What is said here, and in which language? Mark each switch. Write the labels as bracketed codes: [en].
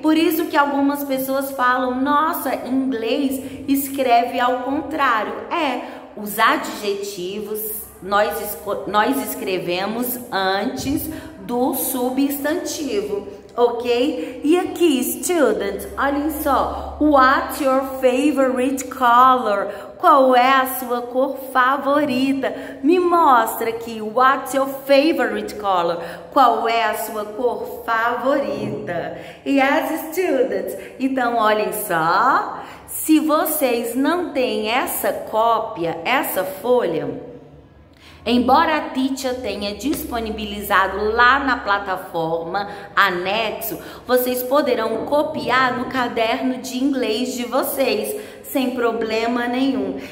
[pt] Por isso que algumas pessoas falam, nossa, inglês escreve ao contrário. É, os adjetivos nós escrevemos antes do substantivo, ok? E aqui, students, olhem só. [en] What's your favorite color? [pt] Qual é a sua cor favorita? Me mostra aqui, [en] what's your favorite color? [pt] Qual é a sua cor favorita? Yes, students, então olhem só. Se vocês não têm essa cópia, essa folha, embora a teacher tenha disponibilizado lá na plataforma, anexo, vocês poderão copiar no caderno de inglês de vocês, sem problema nenhum.